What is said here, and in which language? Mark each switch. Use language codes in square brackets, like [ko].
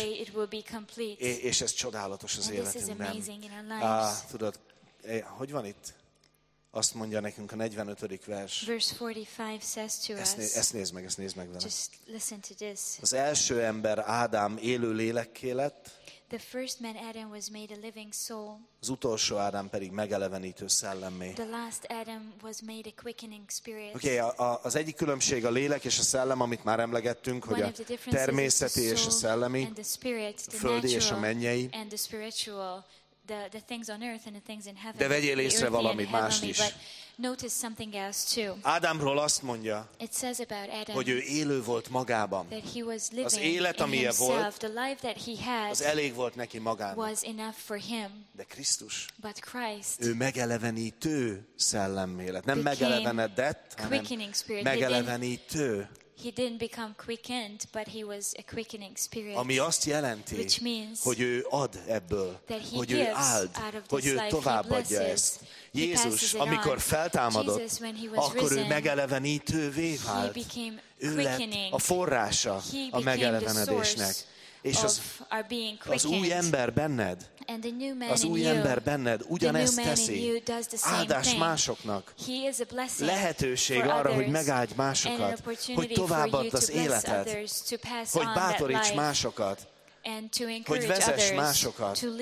[en] day it will be complete. [hu] És ez csodálatos az [en] and [hu] életünkben. [en] This is amazing in our lives. [hu] Tudod, hogy van itt? Azt mondja nekünk a 45. vers. [en] Verse 45 says to us. [hu] Ezt nézd meg vele. [en] Just listen to this. [hu] Az első ember Ádám élő lélekké lett. [en] The first man Adam was made a living soul. [hu] Az utolsó Ádám pedig megelevenítő szellemmé. [en] The last Adam was made a quickening spirit. [hu] Okay, az egyik különbség a lélek és a szellem, amit már emlegettünk, hogy a természeti és a szellemi, [en] and the spirit, the [hu] földi és a mennyei. [en] And the spiritual, the things on earth and the things in heaven. [hu] De vegyél észre valamit mást is. [en] Notice something else too. [hu] Ádámról azt mondja, [en] it says about Adam, [hu] hogy ő élő volt magában. [en] That he was living [hu] az élet, ami volt, [en] the life that he had, [hu] az elég volt neki magának. [en] Was enough for him. [hu] De Krisztus, [en] but Christ, [hu] ő megelevenítő szellemélet. Nem megelevenedett, hanem [en] quickening spirit. [hu] Megelevenítő. [en] He didn't become quickened, but he was a quickening spirit. [hu] Ami azt jelenti, [en] which means [hu] hogy ő ad ebből, hogy ő áld, hogy ő továbbadja ezt. Jézus, amikor feltámadott, akkor ő megelevenítővé vált. Ő lett a forrása a megelevenedésnek. És az új ember benned, az új ember benned ugyanezt teszi, áldás másoknak, lehetőség arra, hogy megáldj másokat, hogy továbbadd az életet, hogy bátoríts másokat, hogy vezess másokat,